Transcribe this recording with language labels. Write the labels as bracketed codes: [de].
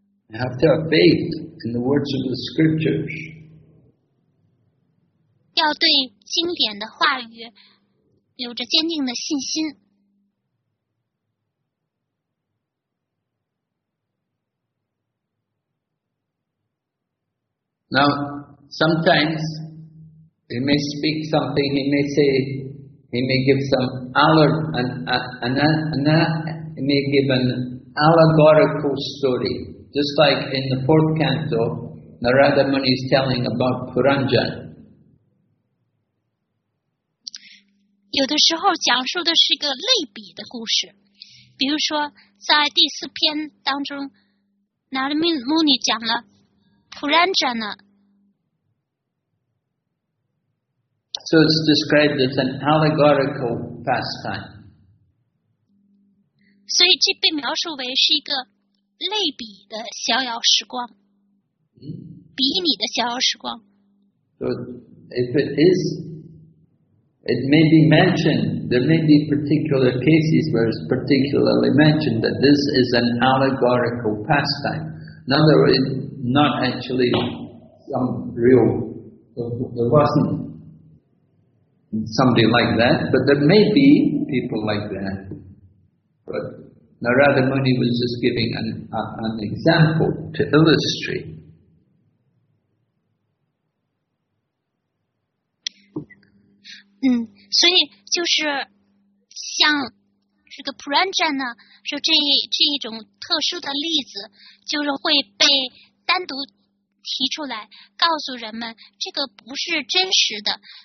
[en] You have to have faith in the words of the scriptures. [zh] 要对经典的话语有着坚定的信心。 [en] Now, sometimes he may speak something, he may say. He may give some an allegorical story, just like in the 4th canto, Narada Muni is telling about Puranjan. [zh] 有的时候讲述的是一个类比的故事，比如说在第四篇当中 ，Narada Muni 讲了 Puranjan 呢。 [en] So it's described as an allegorical pastime. [zh] 所以这被描述为是一个类比的逍遥时光，比拟的逍遥时光。 [en] So if it is, it may be mentioned, there may be particular cases where it's particularly mentioned that this is an allegorical pastime. In other words, not actually some real, there wasn't. Somebody like that, but there may be people like that. But Narada Muni was just giving an example to illustrate. [zh] 所以就是像这个 Puranjan 呢，说这一种特殊的例子，就是会被单独提出来，告诉人们这个不是真实的。